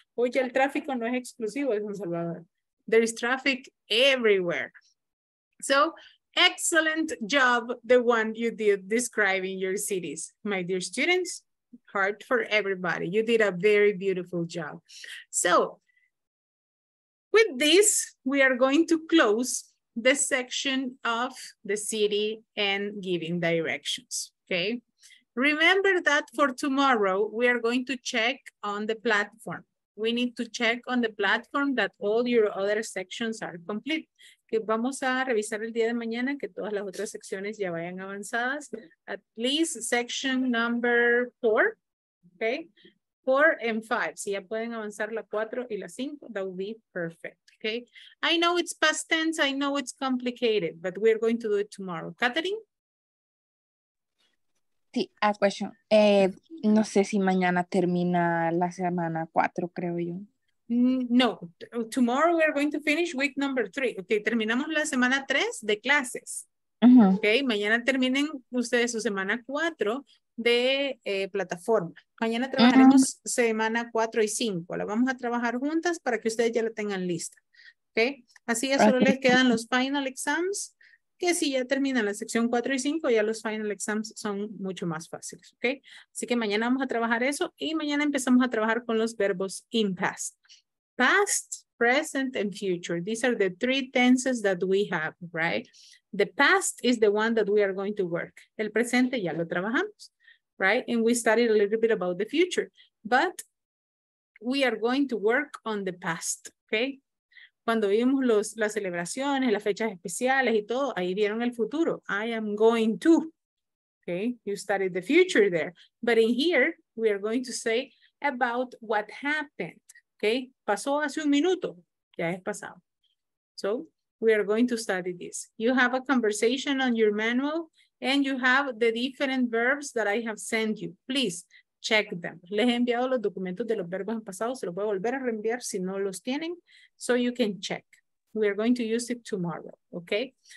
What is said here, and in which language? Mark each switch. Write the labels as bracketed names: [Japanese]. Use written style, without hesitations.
[Spanish] Oye, el tráfico no es exclusivo de San Salvador. [English] There is traffic everywhere. So, excellent job, the one you did describing your cities. My dear students, heart for everybody. You did a very beautiful job. So, with this, we are going to close the section of the city and giving directions, okay? Remember that for tomorrow, we are going to check on the platform. We need to check on the platform that all your other sections are complete. [Spanish] Que vamos a revisar el día de mañana que todas las otras secciones ya vayan avanzadas. [English] At least section number four, okay? 4 and 5. [Spanish] Si ya pueden avanzar la 4 y la 5, [English] that would be perfect. [Spanish] Okay. [English] I know it's past tense. I know it's complicated, but we're going to do it tomorrow. Catherine? Sí, a question. [Spanish] No sé si mañana termina la semana 4, creo yo. [English] No, tomorrow we're going to finish week number 3. [Spanish] Okay, terminamos la semana 3 de clases. Uh-huh. Okay, mañana terminen ustedes su semana 4 de plataforma. Mañana trabajaremos uh-huh. semana 4 y 5. La vamos a trabajar juntas para que ustedes ya la tengan lista. Okay, así ya solo okay. les quedan los final exams, que si ya terminan la sección 4 y 5, ya los final exams son mucho más fáciles. Okay, así que mañana vamos a trabajar eso y mañana empezamos a trabajar con los verbos [English] in past. Past, present, and future. These are the three tenses that we have, right? The past is the one that we are going to work. [Spanish] El presente ya lo trabajamos, [English] right? And we studied a little bit about the future, but we are going to work on the past, okay? [Spanish] Cuando vimos las celebraciones, las fechas especiales y todo, ahí vieron el futuro. [English] I am going to, okay? You studied the future there. But in here, we are going to say about what happened. [Spanish] Okay, pasó hace un minuto, ya es pasado. [English] So, we are going to study this. You have a conversation on your manual and you have the different verbs that I have sent you. Please, check them. [Spanish] Les he enviado los documentos de los verbos en pasado, se los voy a volver a reenviar si no los tienen, [English] so you can check. We are going to use it tomorrow, okay?